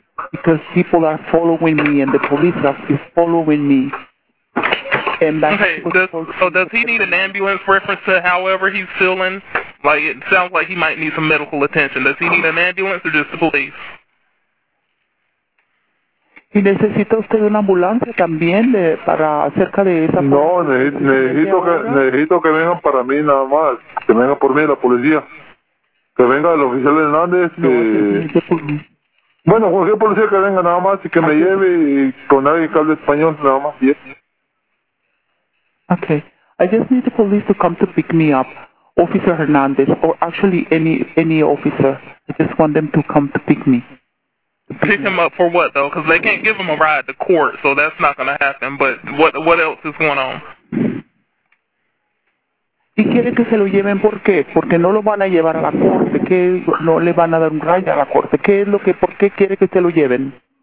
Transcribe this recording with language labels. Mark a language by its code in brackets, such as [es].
[en] because people are following me and the police are following me. And that's okay, does he need an ambulance reference to however he's feeling? Like, it sounds like he might need some medical attention. Does he need an ambulance or just the police? [es] ¿Y necesita usted una ambulancia también de, para acerca de esa... No, necesito que vengan para mí nada más, que venga por mí la policía. Que venga el oficial Hernández, que... No, bueno, cualquier policía que venga nada más y que me lleve y con alguien que hable español nada más. [en] Yeah. Okay. I just need the police to come to pick me up, Officer Hernández, or actually any officer. I just want them to come to pick me. Pick him up for what, though? Because they can't give him a ride to court, so that's not going to happen. But what else is going on? [es] ¿Y quiere que se lo lleven por qué? Porque no lo van a llevar a la corte. ¿Qué? No le van a dar un ride a la corte. ¿Qué es lo que, por qué quiere que se lo lleven?